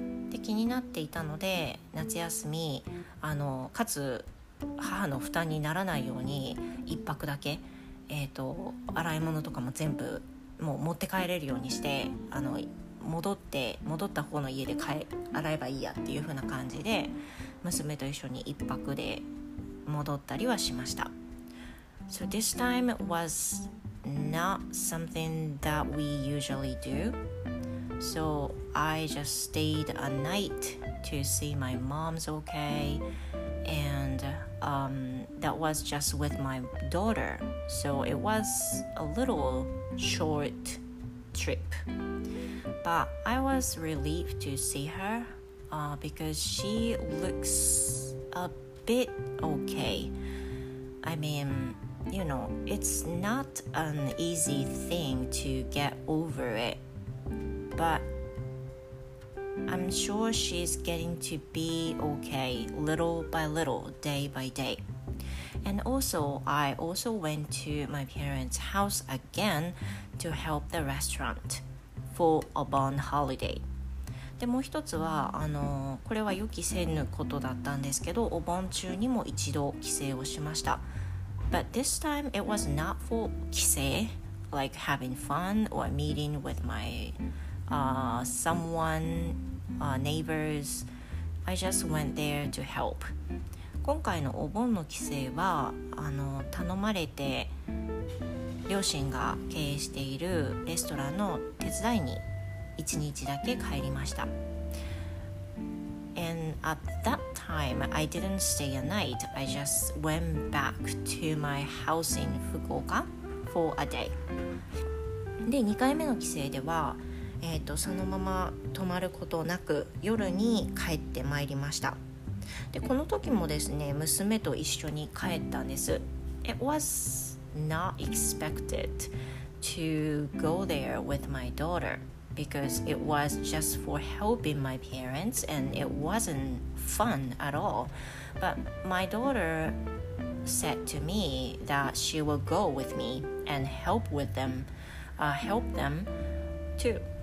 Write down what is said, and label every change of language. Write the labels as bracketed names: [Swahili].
[Japanese] で気になっていたので、夏休みかつ母の負担にならないように一泊だけ、洗い物とかも全部もう持って帰れるようにして、戻った方の家で洗えばいいやっていう風な感じで娘と一緒に一泊で戻ったりはしました。 [English] So this time was not something that we usually do. So I just stayed a night to see my mom's okay. And that was just with my daughter. So it was a little short trip. But I was relieved to see her because she looks a bit okay. I mean, you know, it's not an easy thing to get over it. But I'm sure she's getting to be okay little by little, day by day. And also, I also went to my parents' house again to help the restaurant. For a bond holiday. [Japanese] でもう一つはこれは予期せぬことだったんですけど、お盆中にも一度帰省をしました。 [English] But this time it was not for 帰省 like having fun or meeting with my neighbors. I just went there to help. [Japanese] 今回のお盆の帰省は頼まれて両親が経営しているレストランの手伝いに一日だけ帰りました。 [English] And at that time, I didn't stay a night. I just went back to my house in Fukuoka for a day. [Japanese] で、2回目の帰省では、そのまま泊まることなく夜に帰ってまいりました。で、この時もですね、娘と一緒に帰ったんです。 [English] It wasNot expected to go there with my daughter because it was just for helping my parents and it wasn't fun at all. But my daughter said to me that she will go with me and help with them, help them too.